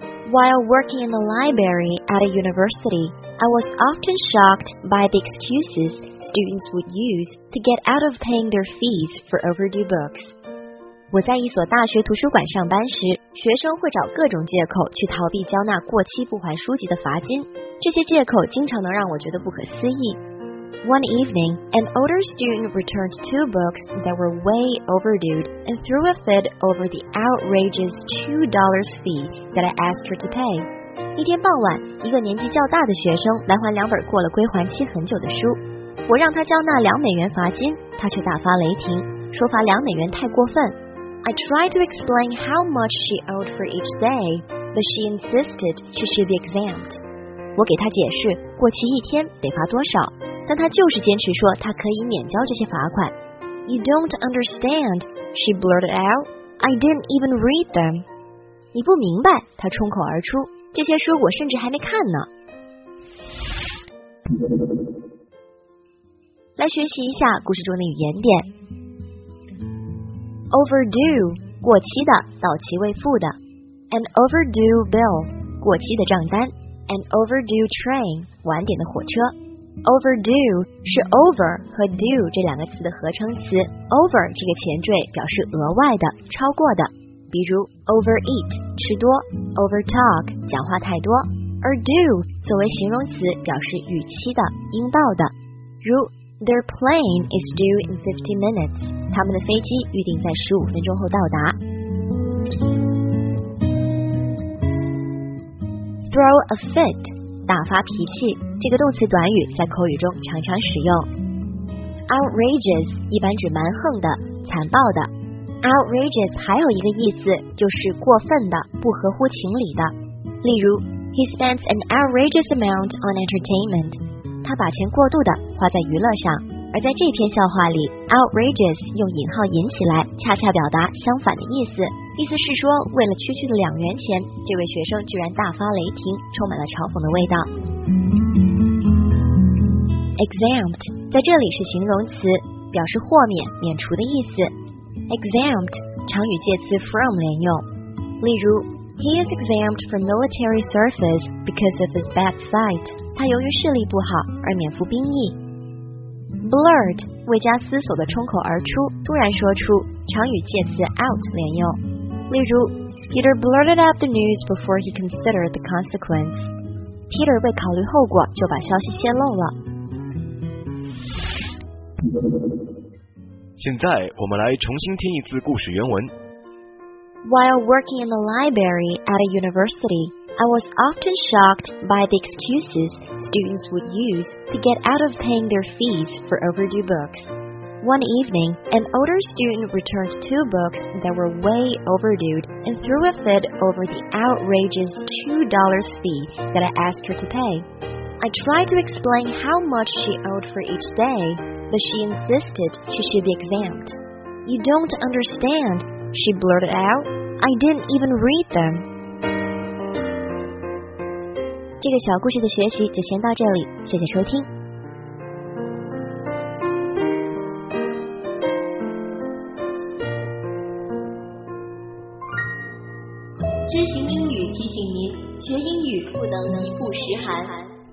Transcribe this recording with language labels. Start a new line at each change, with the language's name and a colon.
English: While working in the library at a university, I was often shocked by the excuses students would use to get out of paying their fees for overdue books.
Chinese: 我在一所大学图书馆上班时，学生会找各种借口去逃避交纳过期不还书籍的罚金，这些借口经常能让我觉得不可思议。
English: One evening, an older student returned two books that were way overdue and threw a fit over the outrageous $2 fee that I asked her to pay.
Chinese: 一天傍晚，一个年纪较大的学生来还两本过了归还期很久的书，我让他交纳$2罚金，他却大发雷霆，说罚$2太过分。
English: I tried to explain how much she owed for each day, but she insisted she should be exempt.
Chinese: 我给她解释过期一天得罚多少，但她就是坚持说她可以免交这些罚款。
English: You don't understand, she blurted out. I didn't even read them.
Chinese: 你不明白，她冲口而出，这些书我甚至还没看呢。来学习一下故事中的语言点。 Overdue, 过期的，到期未付的。
English: An overdue bill,
Chinese: 过期的账单。
English: An overdue train,
Chinese: 晚点的火车。 Overdue 是 over 和 due 这两个词的合成词。 Over 这个前缀表示额外的，超过的。比如 overeat, 吃多。 Overtalk, 讲话太多。而 due 作为形容词表示逾期的，应到的。如
English: their plane is due in 50 minutes.
Chinese: 他们的飞机预定在15分钟后到达。
English: Throw a fit,
Chinese: 大发脾气，这个动词短语在口语中常常使用。 Outrageous 一般指蛮横的、残暴的。Outrageous 还有一个意思就是过分的、不合乎情理的。例如
English: ，He spends an outrageous amount on entertainment.
Chinese: 他把钱过度的花在娱乐上。而在这篇笑话里 ,outrageous 用引号引起来恰恰表达相反的意思。意思是说为了区区的$2这位学生居然大发雷霆，充满了嘲讽的味道。 Exempt, 在这里是形容词，表示豁免、免除的意思。 Exempt, 常与介词 from 连用。例如
English: ,He is exempt from military service because of his bad sight.
Chinese: 他由于视力不好而免服兵役。Blurt, 未加思索的冲口而出，突然说出，常与介词 out 连用。例如
English: ,Peter blurted out the news before he considered the consequence.
Chinese: Peter 未考虑后果就把消息泄露了。现在我们来重新听一次故事原文。
English: While working in the library at a university,I was often shocked by the excuses students would use to get out of paying their fees for overdue books. One evening, an older student returned two books that were way overdue and threw a fit over the outrageous $2 fee that I asked her to pay. I tried to explain how much she owed for each day, but she insisted she should be exempt. You don't understand, she blurted out. I didn't even read them.
Chinese: 这个小故事的学习就先到这里，谢谢收听。知行英语提醒您，学英语不能一步十寒。